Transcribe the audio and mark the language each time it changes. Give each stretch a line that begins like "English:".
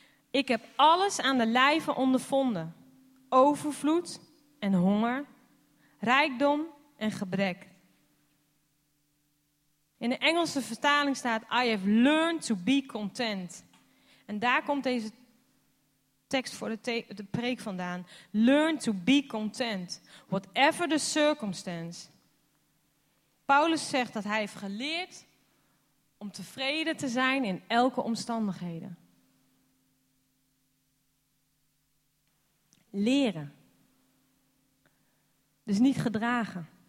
Dutch: Ik heb alles aan de lijve ondervonden. Overvloed en honger. Rijkdom en gebrek. In de Engelse vertaling staat,
English: I have learned to be content.
Dutch: En daar komt deze tekst voor de preek vandaan.
English: Learn to be content, whatever the circumstance.
Dutch: Paulus zegt dat hij heeft geleerd om tevreden te zijn in elke omstandigheden. Leren. Dus niet gedragen.